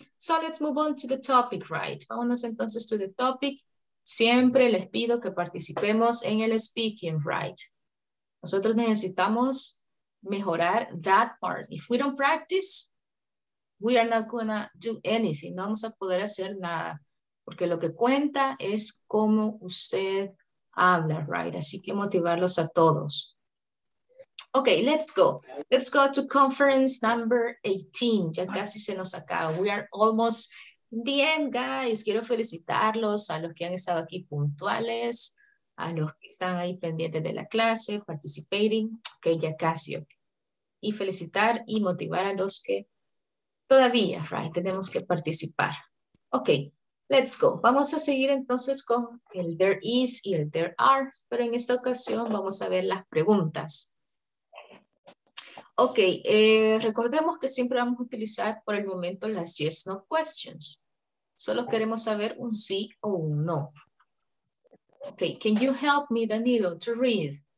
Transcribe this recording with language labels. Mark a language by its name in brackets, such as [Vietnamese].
[English] So let's move on to the topic, right? [Spanish] Vámonos entonces [English] to the topic. [Spanish] Siempre les pido que participemos en el speaking, right? Nosotros necesitamos mejorar [English] that part. If we don't practice, we are not gonna do anything. [Spanish] No vamos a poder hacer nada. Porque lo que cuenta es cómo usted habla, right? Así que motivarlos a todos. Okay, let's go. Let's go to conference number 18. Ya casi se nos acaba. [English] We are almost the end, guys. [Spanish] Quiero felicitarlos a los que han estado aquí puntuales, a los que están ahí pendientes de la clase, [English] participating. [Spanish] Okay, ya casi. Okay. Y felicitar y motivar a los que todavía, right? Tenemos que participar. Okay. [English] Let's go. [Spanish] Vamos a seguir entonces con el there is y el there are, pero en esta ocasión vamos a ver las preguntas. Ok, recordemos que siempre vamos a utilizar por el momento las yes no questions. Solo queremos saber un sí o un no. Ok, can you help me, Danilo, to read?